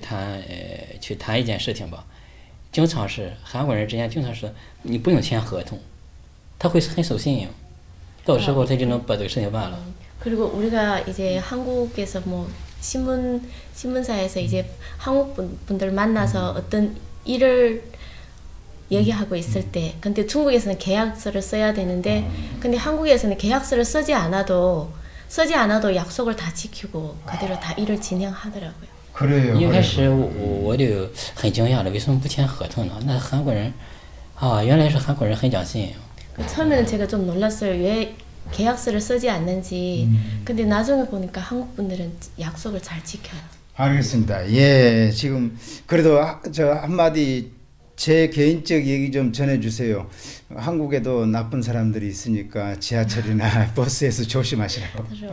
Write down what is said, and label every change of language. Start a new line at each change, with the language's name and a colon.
Chinese: 还有我韩国，韩国我印象最深的就是说，你比如说我们跟客户去谈一件事情吧。经常是韩国人之间经常说，你不用签合同，他会很守信用，到时候他就能把这个事情办了。
Korean: 그리고 우리가 이제 한국에서 뭐 신문사에서 이제 한국 분들 만나서 어떤 일을 얘기하고 있을 때, 근데 중국에서는 계약서를 써야 되는데, 근데 한국에서는 계약서를 쓰지 않아도 약속을 다 지키고 그대로 다 일을 진행하더라고요.
Chinese: 一开始我就很惊讶了，为什么不签合同呢？那韩国人，原来是韩国人很讲信用。
Korean: 처음에는 제가 좀 놀랐어요. 왜 계약서를 쓰지 않는지. 근데 나중에 보니까 한국 분들은 약속을 잘 지켜요. 알겠습니다. 지금 그래도 저 한마디 제 개인적 얘기 좀 전해주세요. 한국에도 나쁜 사람들이 있으니까 지하철이나 버스에서 조심하시라고.